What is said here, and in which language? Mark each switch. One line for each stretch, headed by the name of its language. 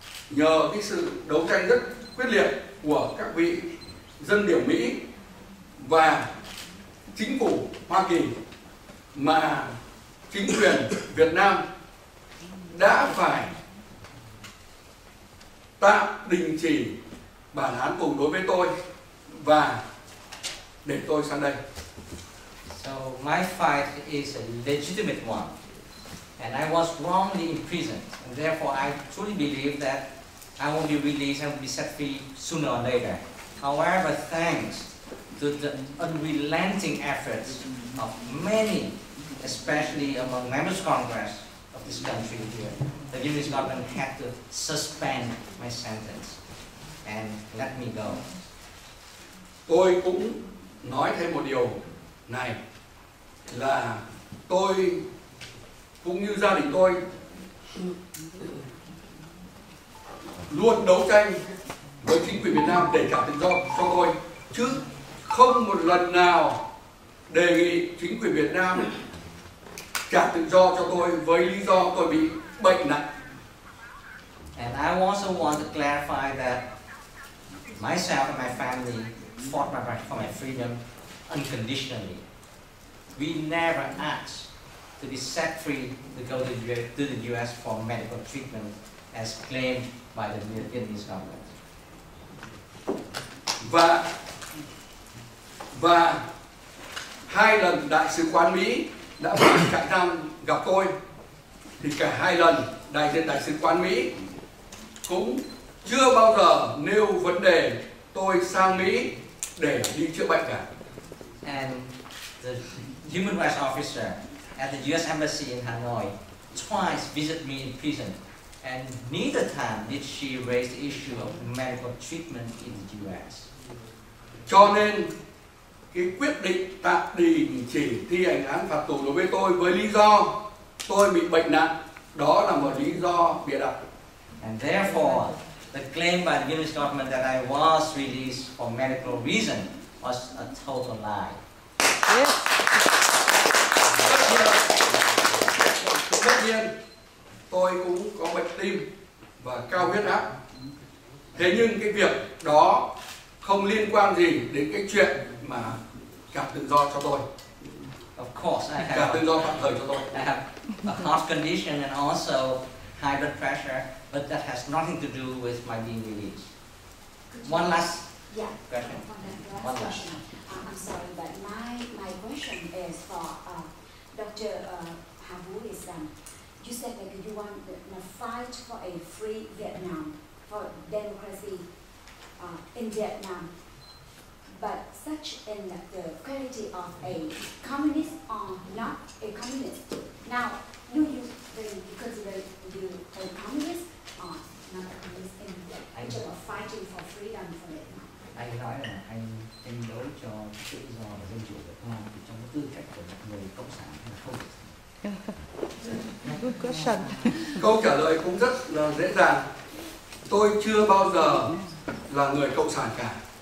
Vietnamese: nhờ cái sự đấu tranh rất quyết liệt của các vị dân biểu Mỹ và chính phủ Hoa Kỳ mà chính quyền Việt Nam đã phải tạm đình chỉ bản án cùng đối với tôi và để tôi sang đây.
English: So my fight is a legitimate one, and I was wrongly imprisoned. And therefore, I truly believe that I will be released and be set free sooner or later. However, thanks to the unrelenting efforts of many, especially among members of Congress of this country here, the U.S. government had to suspend my sentence and let me go.
Vietnamese: Tôi cũng nói thêm một điều này là tôi cũng như gia đình tôi luôn đấu tranh với chính quyền Việt Nam để trả tự do cho tôi, chứ không một lần nào đề nghị chính quyền Việt Nam trả tự do cho tôi với lý do tôi bị bệnh nặng.
English: And I also want to clarify that myself and my family fought my right for my freedom unconditionally. We never asked to be set free to go to the U.S. for medical treatment as claimed by the Vietnamese government.
Vietnamese: Và hai lần đại sứ quán Mỹ đã phải chạy sang gặp tôi, thì cả hai lần đại diện đại sứ quán Mỹ cũng chưa bao giờ nêu vấn đề tôi sang Mỹ để đi chữa bệnh cả.
English: And the human rights officer at the U.S. Embassy in Hanoi twice visited me in prison, and neither time did she raise the issue of medical treatment in the U.S.
Vietnamese: Cho nên cái quyết định tạm đình chỉ thi hành án phạt tù đối với tôi với lý do tôi bị bệnh nặng, đó là một lý do bịa đặt.
English: And therefore, the claim by the U.S. government that I was released for medical reason was a total lie.
Vietnamese: Tất nhiên, tôi cũng có bệnh tim và cao huyết áp. Thế nhưng cái việc đó không liên quan gì đến cái chuyện mà trả tự do cho tôi.
English: Of course, I have
Vietnamese: trả tự do tạm thời cho tôi.
English: I have a heart condition and also high blood pressure, but that has nothing to do with my being released. One last question. One last. I'm sorry, but my question is for Dr. Havu is you said that you want to fight for a free Vietnam, for democracy in Vietnam, but such in the quality of a communist or not a communist. Now, do you consider you a communist or not a communist in Vietnam? I are fighting for freedom for it.
Vietnamese: Anh nói là anh tranh đấu cho tự do và dân chủ của Việt Nam thì trong tư cách của một người cộng sản hay là không?
English: Good question.
Vietnamese: Câu trả lời cũng rất là dễ dàng. Tôi chưa bao giờ là người cộng sản cả.